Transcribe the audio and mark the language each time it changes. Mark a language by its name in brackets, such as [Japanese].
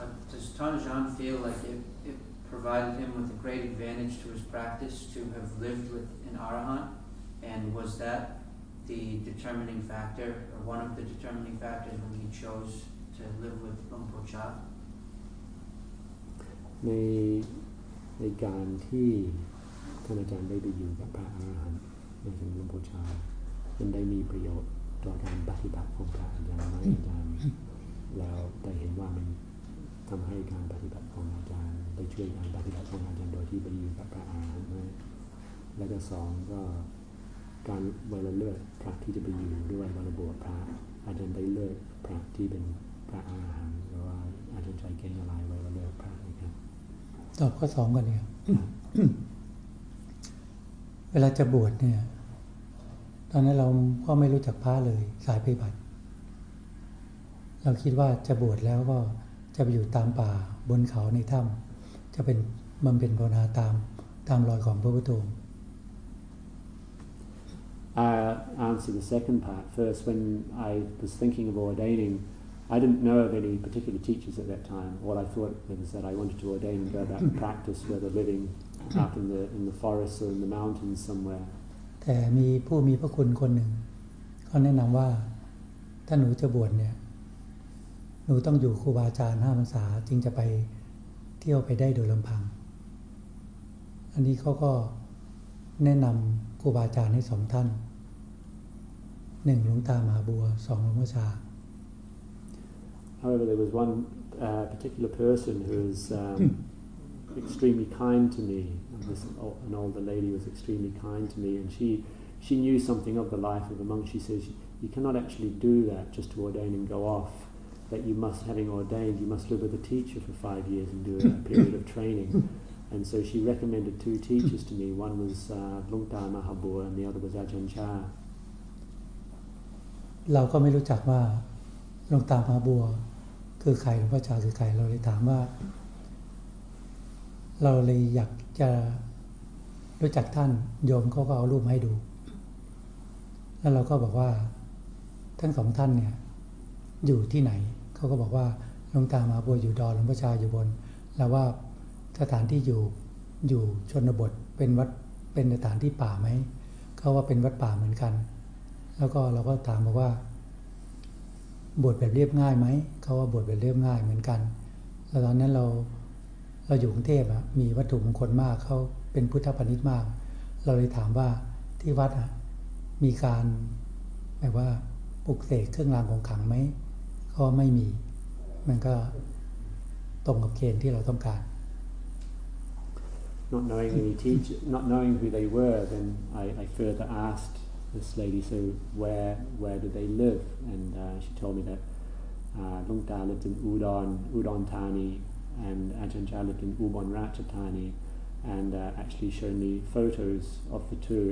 [English] Does Tanjan feel like it provided him with a great advantage to his practice to have lived with an arahant, and was that the determining factor, or one of the determining factors, when he chose to live with Lumpo Cha? May guarantee Tanjan maybe you got pra arahant with Lumpo Cha, and they may be your daughter Bati Bak from Pra and Jan Mai and Jan, well, they had one in. [Thai] ทำให้การปฏิบัติของอาจารย์ไปช่วยการปฏิบัติของอาจารย์โดยที่ไปอยู่กับพระอาหารหันต์และก็สองก็การเวลาเลือกพระที่จะไปอยู่ด้วยบารมีพระอาจารย์ได้เลือกพระที่เป็นพระอาหารหันต์หรือว่าอาจารย์ใจเกณฑ์อะไรเวลาเลือกพระนะครับ ตอบข้อสองก่อนเนี่ย เวลาจะบวชเนี่ยตอนนั้นเราก็ไม่รู้จักพระเลยสายปฏิบัติเราคิดว่าจะบวชแล้วก็จะไปอยู่ตามป่าบนเขาในถ้ำจะเป็นบำเพ็ญภาวนาตามรอยของพระพุทธองค์ [English] I'll answer the second part first. When I was thinking of ordaining, I didn't know of any particular teachers at that time. All I thought was that I wanted to ordain and go about and practice, whether living up in the forests or in the mountains somewhere. [Thai] แต่มีผู้มีพระคุณคนหนึ่งเขาแนะนำว่าถ้าหนูจะบวชเนี่ยหนูต้องอยู่ครูบาอาจารย์5พรรษาจึงจะไปเที่ยวไปได้โดยลำพังอันนี้เขาก็แนะนำครูบาอาจารย์ให้2ท่าน1หลวงตามหาบัว2หลวงพ่อชา [English] However there was one particular person who was extremely kind to me an older lady was extremely kind to me and she knew something of the life of a monk she says you cannot actually do that just to ordain and go offthat you must, having ordained, you must live with a teacher for 5 years and do a period of training. And so she recommended two teachers to me. One was Lungta Mahabua and the other was Ajahn Chah. [Thai] เราก็ไม่รู้จักว่าหลวงตามหาบัวคือใครหลวงพ่อจ๋าคือใครเราเลยถามว่าเราเลยอยากจะรู้จักท่านโยมเขาก็เอารูปให้ดู แล้วเราก็บอกว่าทั้งสองท่านเนี่ยอยู่ที่ไหนเขาก็บอกว่าหลวงตามหาบัวอยู่ดอนหลวงพ่อจ๋าอยู่บนแล้วว่าสถานที่อยู่ชนบทเป็นวัดเป็นสถานที่ป่าไหมเขาว่าเป็นวัดป่าเหมือนกันแล้วก็เราก็ถามบอกว่า บวชแบบเรียบง่ายไหมเขาว่าบวชแบบเรียบง่ายเหมือนกันแล้วตอนนั้นเราอยู่กรุงเทพอ่ะมีวัตถุมงคลมากเขาเป็นพุทธปณิธมากเราเลยถามว่าที่วัดอ่ะมีการแบบว่าปลุกเสกเครื่องรางของขลังไหมเขาว่าไม่มีมันก็ตรงกับเกณฑ์ที่เราต้องการ [English] not knowing any teacher not knowing who they were then I further askedThis lady, so where do they live? And she told me that Lungta lived in Udon Thani, and Ajahn Chah lived in Ubon Ratchathani, and actually showed me photos of the two.